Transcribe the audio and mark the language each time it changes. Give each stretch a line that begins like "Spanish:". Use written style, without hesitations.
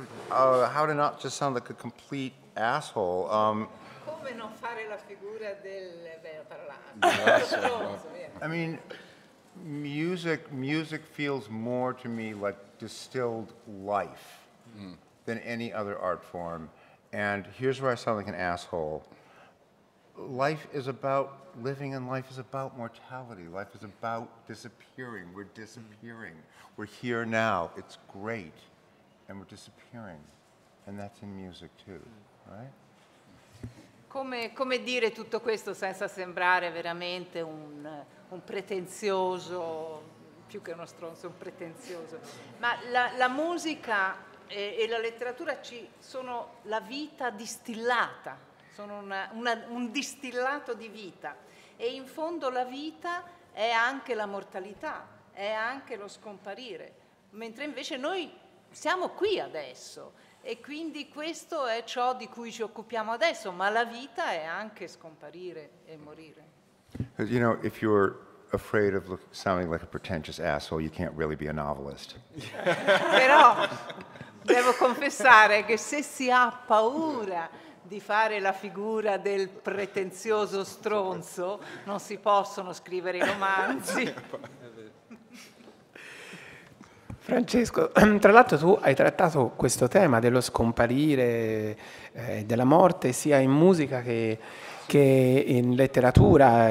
English: How to not just sound like a complete asshole.
Italian: Come non fare la figura del bello parlante?
English: I mean, music feels more to me like distilled life than any other art form. And here's where I sound like an asshole. Life is about living, and life is about mortality. Life is about disappearing. We're disappearing. We're here now. It's great. And we're disappearing. And that's in music too, right?
Italian: Come dire tutto questo senza sembrare veramente un pretenzioso, più che uno stronzo, un pretenzioso. Ma la musica e la letteratura ci sono la vita distillata, sono un distillato di vita, e in fondo la vita è anche la mortalità, è anche lo scomparire, mentre invece noi siamo qui adesso e quindi questo è ciò di cui ci occupiamo adesso, ma la vita è anche scomparire e morire.
English: You know, if you're afraid of sounding like a pretentious asshole, you can't really be a novelist.
Italian: Però devo confessare che se si ha paura di fare la figura del pretenzioso stronzo, non si possono scrivere i romanzi. Francesco, tra l'altro tu hai trattato questo tema dello scomparire, della morte, sia in musica che in letteratura.